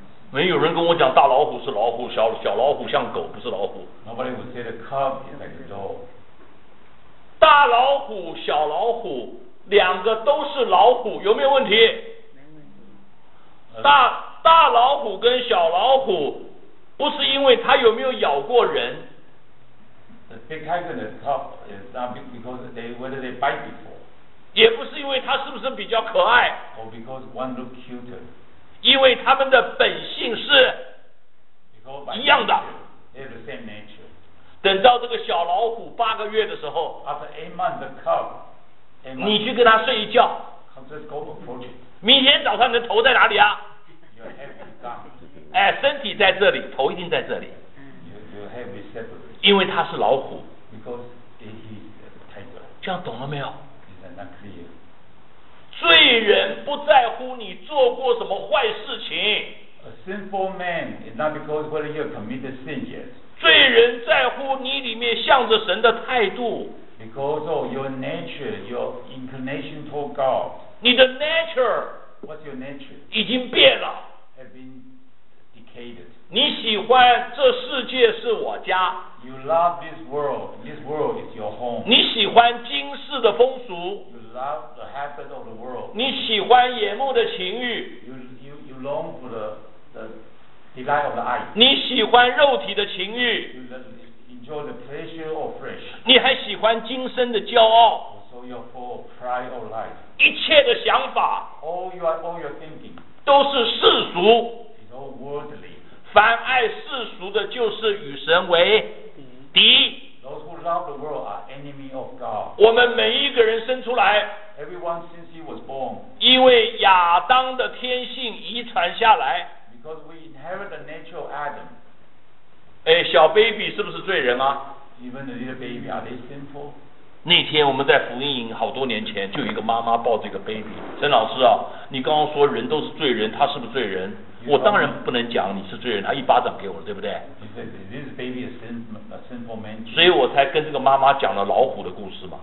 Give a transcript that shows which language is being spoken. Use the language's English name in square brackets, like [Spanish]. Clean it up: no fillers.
[Chinese] 没有人跟我讲大老虎是老虎，小老虎像狗不是老虎。 [English] Nobody would say the cub is like a dog. [Chinese] 大老虎小老虎两个都是老虎，有没有问题？没问题。大老虎跟小老虎不是因为它有没有咬过人。 [English] The big tiger and the cub is not because they, whether they bite before. [Chinese] 也不是因为它是不是比较可爱。 [English] Or because one look cuter. [Chinese] 因为它们的本性是一样的。 [English] They have the same nature. [Chinese] 等到这个小老虎八个月的时候， [English] After 8 months, the cub, [Chinese] 你去跟他睡一觉， [English] go approach it. [Chinese] 明天早上你的头在哪里啊？ [English] Your head is gone. [Chinese] 哎，身体在这里，头一定在这里。 [English] Your head is separate. [Chinese] 因为他是老虎。 [English] Because he is tiger. [Chinese] 这样懂了没有？ [English] Is that not clear? [Chinese] 罪人不在乎你做过什么坏事情。 [English] A sinful man is not because whether you have committed sin yet. [Chinese] 罪人在乎你里面向着神的态度。 [English] Because of your nature, your inclination toward God. [Chinese] 你的 nature. [English] What's your nature? [Chinese] 已经变了。 [English] Have been decayed. [Chinese] 你喜欢这世界是我家。 [English] You love this world. This world is your home. [Chinese] 你喜欢今世的风俗。 [English] You love the habit of the world. [Chinese] 你喜欢眼目的情欲。 [English] You long for the. Delight of the eye. [Chinese] 你喜欢肉体的情欲。 [English] Enjoy the pleasure of flesh. [Chinese] 你还喜欢今生的骄傲。 [English] So you're full of pride of life. [Chinese] 一切的想法。 [English] All your thinking. [Chinese] 都是世俗。 [English] It's all worldly. [Chinese] 凡爱世俗的，就是与神为敌。 [English] Those who love the world are enemy of God. [Chinese] 我们每一个人生出来。 [English] Everyone since he was born. [Chinese] 因为亚当的天性遗传下来。 [English] Because we inherit the nature of Adam. [Chinese] 哎，小 baby 是不是罪人啊？ [English] Even the little baby, are they sinful? [Chinese] 那天我们在福音营好多年前，就有一个妈妈抱着一个 baby。陈老师啊，你刚刚说人都是罪人，他是不是罪人？ [English] You、 [Chinese] 我当然不能讲你是罪人，他一巴掌给我了，对不对？ [English] This baby is a sinful man. [Chinese] 所以我才跟这个妈妈讲了老虎的故事嘛。